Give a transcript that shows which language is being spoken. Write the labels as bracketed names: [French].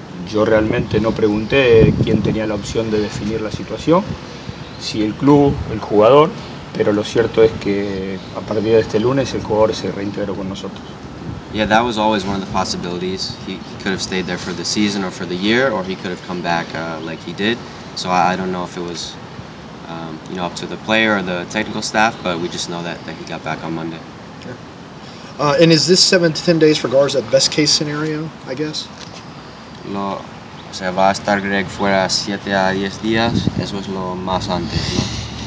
[Spanish] Yo realmente no pregunté quién tenía la opción de definir la situación, si el club, el jugador, pero lo cierto es que a partir de este lunes el jugador se reintegró con nosotros. [English] Yeah, that was always one of the possibilities. He could have stayed there for the season or for the year, or he could have come back like he did. So I don't know if it was up to the player or the technical staff, but we just know that he got back on Monday. Yeah. And is this 7 to 10 days for Garza best case scenario, I guess? [Spanish] O sea, va a estar Greg fuera 7 a 10 días, eso es lo más antes, ¿no?